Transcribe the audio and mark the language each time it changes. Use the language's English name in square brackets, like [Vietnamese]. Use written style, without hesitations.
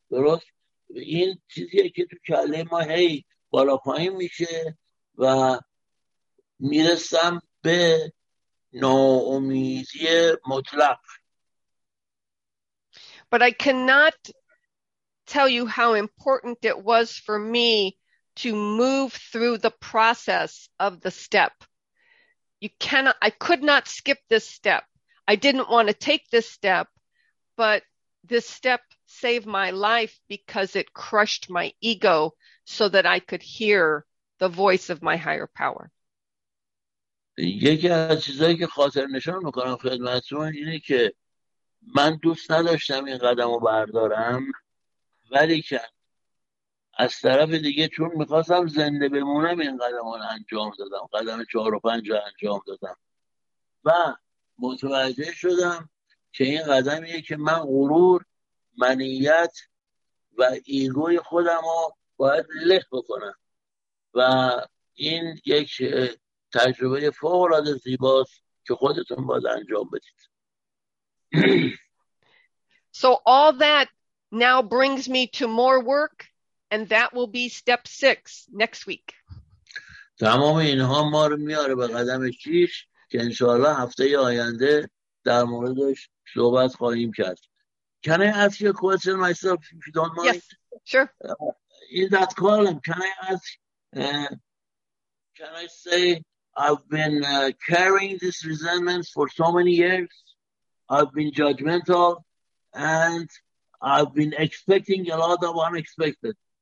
[Persian] درست؟ این چیزیه که تو کله ما هی بالا پایین میشه و میرسم به ناامیدی مطلق. [English] But I cannot tell you how important it was for me to move through the process of the step. I could not skip this step. I didn't want to take this step, but this step saved my life because it crushed my ego so that I could hear the voice of my higher power. [Persian] یکی از چیزایی که خاطر نشان میکنم خدمتتون اینه که من دوست نداشتم این قدم رو بردارم، ولی که از طرف دیگه چون میخواستم زنده بمونم این قدم رو انجام دادم، قدم 4 و 5 رو انجام دادم و متوجه شدم که این قدمیه که من غرور، منیت و ایگوی خودم رو باید له بکنم و این یک تجربه فوق العاده زیباست که خودتون باید انجام بدید. [English] So all that now brings me to more work and that will be step 6 next week. [Persian] تمام اینها ما رو میاره به قدم 6 که انشاءالله هفته آینده در موردش صحبت خواهیم کرد. [English] Can I ask you a question myself if you don't mind? Yes, sure. In that column, can I say I've been carrying this resentment for so many years. I've been judgmental and I've been expecting a lot of unexpected.